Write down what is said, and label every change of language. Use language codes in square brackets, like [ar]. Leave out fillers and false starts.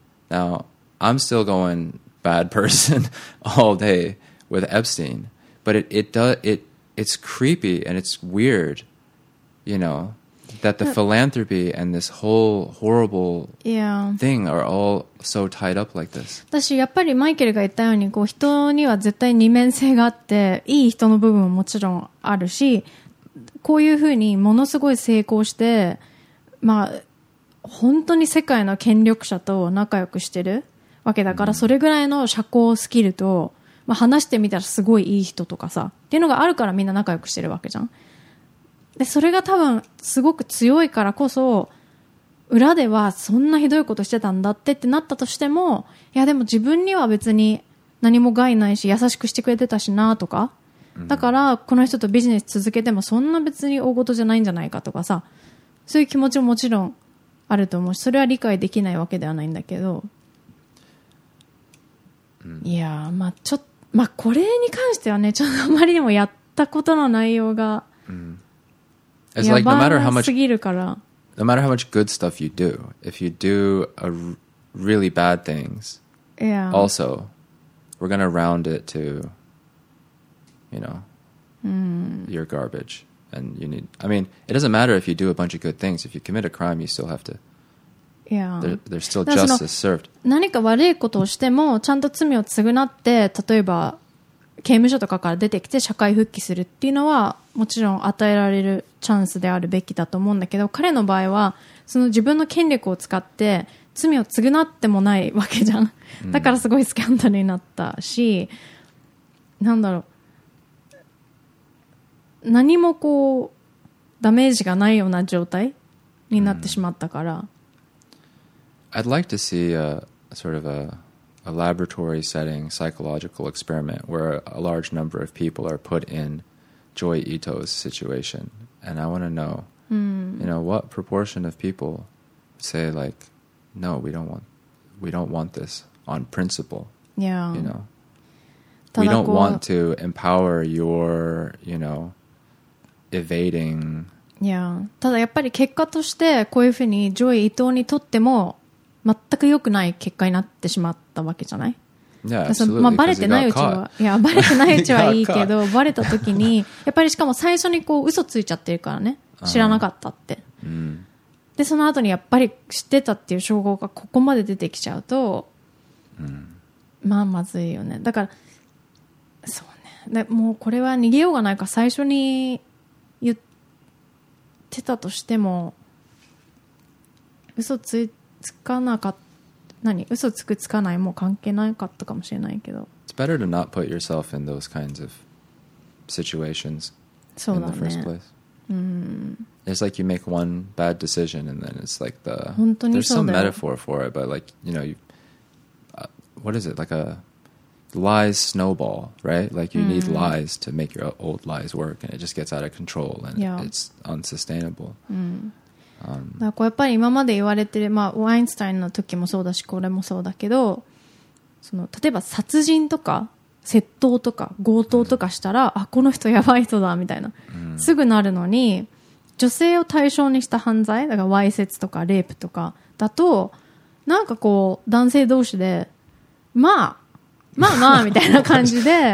[en] Now, I'm still going bad person all day with Epstein, but it's creepy and it's weird, you know, that the philanthropy and this whole horrible thing are all so tied up like this. [ja] 私やっぱりマイケルが言ったようにこう人には絶対二面性があっていい人の部分ももちろんあるしこういうふうにものすごい成功してまあ本当に世界の権力者と仲良くしてるわけだから、それぐらいの社交スキルと、まあ、話してみたらすごいいい人とかさっていうのがあるからみんな仲良くしてるわけじゃん。でそれが多分すごく強いからこそ裏ではそんなひどいことしてたんだってってなったとしてもいやでも自分には別に何も害ないし優しくしてくれてたしなとかだからこの人とビジネス続けてもそんな別に大事じゃないんじゃないかとかさそういう気持ちももちろんあると思うしそれは理解できないわけではないんだけど、いやまあちょっとまあこれに関してはねちょっとあまりにもやったことの内容が、 [en] It's like no matter how much good stuff you do, if you do a really bad things, also, we're going to round it to, you know, your garbage. And you need, I mean, it doesn't matter if you do a bunch of good things. If you commit a crime, you still have to, there's still justice served. [ja] 何か悪いことをしても、ちゃんと罪を償って、例えば、刑務所とかから出てきて社会復帰するっていうのはもちろん与えられるチャンスであるべきだと思うんだけど彼の場合はその自分の権力を使って罪を償ってもないわけじゃん、だからすごいスキャンダルになったし、なんだろう、何もこうダメージがないような状態になってしまったから、 [en] I'd like to see a sort of a laboratory setting psychological experiment where a large number of people are put in Joy Ito's situation. And I want to know, you know, what proportion of people say like, no, we don't want this on principle. Yeah. You know, we don't want to empower your, you know, evading. Yeah. [ja] ただやっぱり結果としてこういうふうに Joy Ito にとっても全く良くない結果になってしまったわけじゃない。 [en] Yeah, absolutely. [ja] まあ、バレてないうちは、いや、バレてないうちはいいけど、バレた時に、やっぱりしかも最初にこう嘘ついちゃってるからね、知らなかったって。で、その後にやっぱり知ってたっていう証拠がここまで出てきちゃうと、まあ、まずいよね。だから、そうね。でもうこれは逃げようがないか、最初に言ってたとしても、嘘ついて、つかなかっ何嘘つくつかないも関係なかったかもしれないけど [en] It's better to not put yourself in those kinds of situations [ja] そうだ、ね、 [en] in the first place、 [ja] うん、 [en] It's like you make one bad decision and then it's like the [ja] 本当にそうだよ [en] There's some metaphor for it but like you know you,、what is it like a lies snowball right like you、うん、need lies to make your old lies work and it just gets out of control and、 yeah. it's unsustainable、 [ja] うんだからこうやっぱり今まで言われてる、まあ、ワインスタインの時もそうだしこれもそうだけどその例えば殺人とか窃盗とか強盗とかしたら、うん、あこの人やばい人だみたいな、うん、すぐなるのに女性を対象にした犯罪だからわいせつとかレイプとかだとなんかこう男性同士で、まあ、まあまあまあみたいな感じで